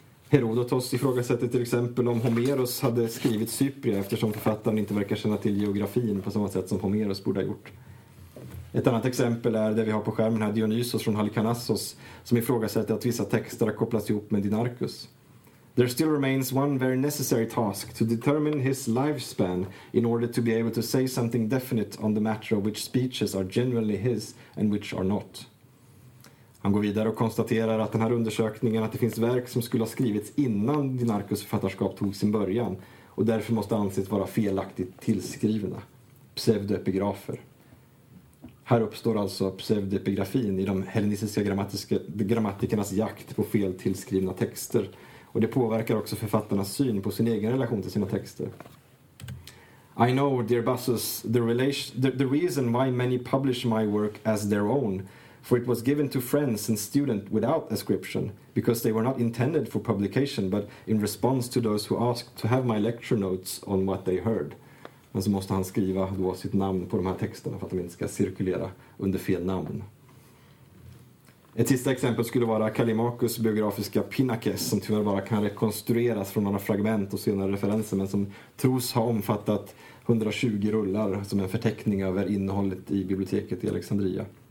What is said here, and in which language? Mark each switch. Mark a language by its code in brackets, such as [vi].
[sv] Herodotos ifrågasätter till exempel om Homeros hade skrivit Cypria, eftersom författaren inte verkar känna till geografin på samma sätt som Homeros borde ha gjort. Ett annat exempel är det vi har på skärmen här, Dionysos från Halikarnassos, som ifrågasätter att vissa texter har kopplats ihop med Dinarcus. [en] There still remains one very necessary task to determine his lifespan in order to be able to say something definite on the matter of which speeches are genuinely his and which are not. [sv] Han går vidare och konstaterar att den här undersökningen, att det finns verk som skulle ha skrivits innan Dinarcus författarskap tog sin början och därför måste anses vara felaktigt tillskrivna, pseudoepigrafer. Här uppstår alltså pseudoepigrafin i de hellenistiska grammatikernas jakt på fel tillskrivna texter. Och det påverkar också författarnas syn på sin egen relation till sina texter. [en] I know, dear Bassus, the reason why many publish my work as their own, for it was given to friends and students without ascription, because they were not intended for publication, but in response to those who asked to have my lecture notes on what they heard. [sv] Men så måste han skriva då sitt namn på de här texterna för att de inte ska cirkulera under fel namn. Ett sista exempel skulle vara Callimachus biografiska Pinnakes, som tyvärr bara kan rekonstrueras från några fragment och senare referenser, men som tros ha omfattat 120 rullar som en förteckning över innehållet i biblioteket i Alexandria.